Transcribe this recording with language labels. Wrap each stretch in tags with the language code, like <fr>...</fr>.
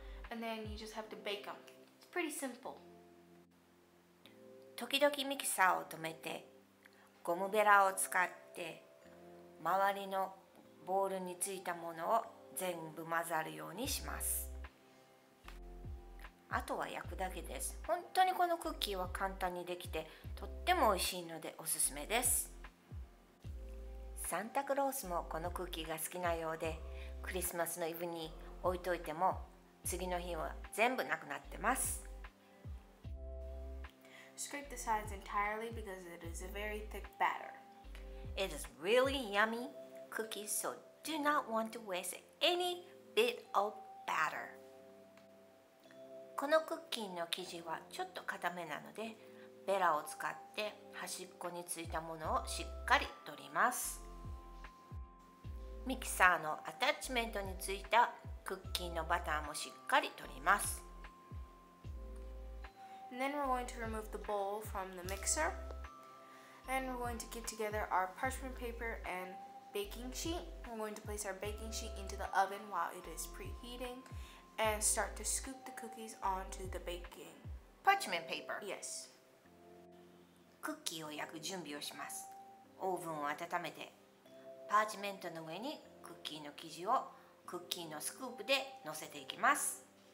<en>And then you just have to bake them. It's pretty simple.</en> <ja>時々ミキサーを止めてゴムベラを使って周りのボールについたものを全部混ざるようにします。あとは焼くだけです。本当にこのクッキーは簡単にできてとっても美味しいのでおすすめです。サンタクロースもこのクッキーが好きなようで、クリスマスのイブに置いといても次の日は全部なくなってます。</ja> <en>Scrape the sides entirely because it is a very thick batter. It is really yummy. Cookies, so do not want to waste any bit of batter.</en> <ja>このクッキーの生地はちょっと固めなので、ベラを使って端っこについたものをしっかり取ります。ミキサーのアタッチメントについたクッキーのバターもしっかり取ります。</ja> <en>And then we're going to remove the bowl from the mixer, and we're going to get together our parchment paper andBaking sheet. We're going to place our baking sheet into the oven while it is preheating and start to scoop the cookies onto the baking Parchment paper. Yes.</en> <ja>クッキーを焼く準備をします。オーブンを温めて、パーチメントの上にクッキーの生地をクッキーのスクープで乗せていきます。</ja>